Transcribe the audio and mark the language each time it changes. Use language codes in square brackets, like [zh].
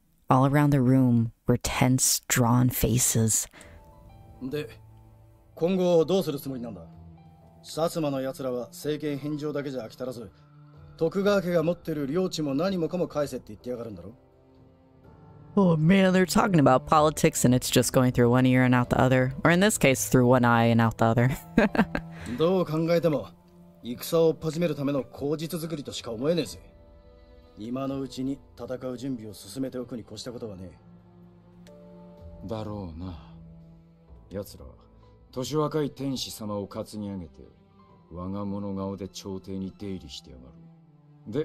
[en] All around the room were tense, drawn faces. [ja] で、今後どうするつもりなんだ。薩摩の奴らは政権返上だけじゃ飽き足らず、徳川家が持ってる領地も何もかも返せって言ってやがるんだろ。 [en] Oh man, they're talking about politics and it's just going through one ear and out the other. Or in this case, through one eye and out the other. [ja] どう考えても、戦を始めるための口実作りとしか思えねえぜ。今のうちに戦う準備を進めておくに越したことはねえ。だろうな。奴ら、年若い天使様を担ぎ上げて、我が物顔で朝廷に出入りしてやがる。